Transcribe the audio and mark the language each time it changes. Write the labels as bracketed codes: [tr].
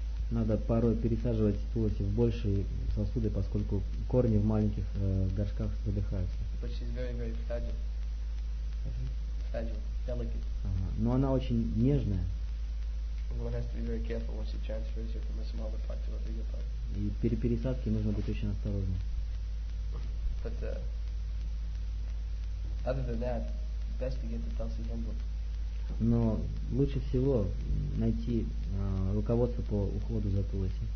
[ru] Надо порой пересаживать плоти в большие сосуды, поскольку корни в маленьких горшках задыхаются. [en] But she's very, very fragile. Fragile, delicate. [ru] Но она очень нежная. [en] One has to be very careful when she transfers her from a smaller part to a bigger part. [ru] И при пересадке нужно быть очень осторожным. [en] But, other than that, best to get the Tulsi handbook. [ru] Но лучше всего найти руководство по уходу за Тулси.